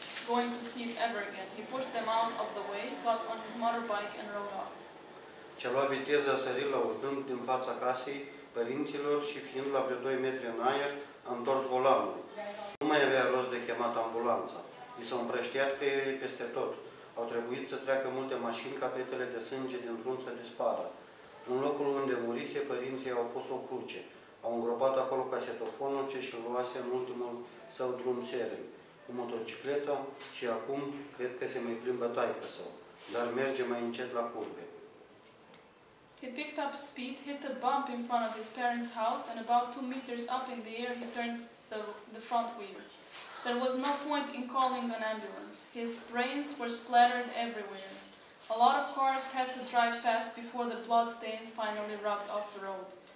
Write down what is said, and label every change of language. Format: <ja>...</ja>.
<en>going to see it ever again. He pushed them out of the way, got on his motorbike and rode off.</en> <ro>Ce-a luat viteză a sărit la un dâmb din fața casei părinților și fiind la vreo 2 metri în aer, a întors volanul. Nu mai avea rost de chemat ambulanța. I s-au împrăștiat creierii peste tot. Au trebuit să treacă multe mașini ca petele de sânge din drum să dispară. În locul unde murise, părinții au pus o cruce. Au îngropat acolo casetofonul ce și-l luase în ultimul său drum serii, cu motocicleta și acum cred că se mai plimbă taică său, dar merge mai încet la curbe.</ro> <en>He picked up speed, hit a bump in front of his parents' house, and about 2 meters up in the air, he turned the front wheel. There was no point in calling an ambulance. His brains were splattered everywhere. A lot of cars had to drive past before the blood stains finally rubbed off the road.</en>